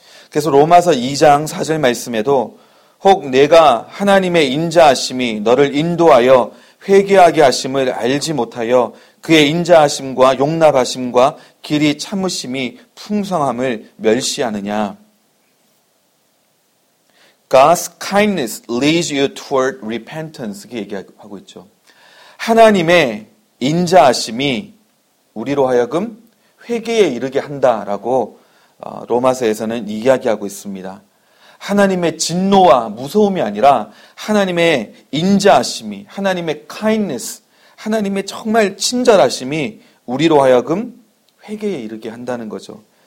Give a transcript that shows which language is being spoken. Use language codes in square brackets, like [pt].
[ko] 그래서 로마서 2장 4절 말씀에도 혹 내가 하나님의 인자하심이 너를 인도하여 회개하게 하심을 알지 못하여 그의 인자하심과 용납하심과 길이 참으심이 풍성함을 멸시하느냐. [en] God's kindness leads you toward repentance. [ko] 이렇게 얘기하고 있죠. 하나님의 인자하심이 우리로 하여금 회개에 이르게 한다라고 로마서에서는 이야기하고 있습니다. 하나님의 진노와 무서움이 아니라 하나님의 인자하심이, 하나님의 kindness, 하나님의 정말 친절하심이 우리로 하여금 회개에 이르게 한다는 거죠.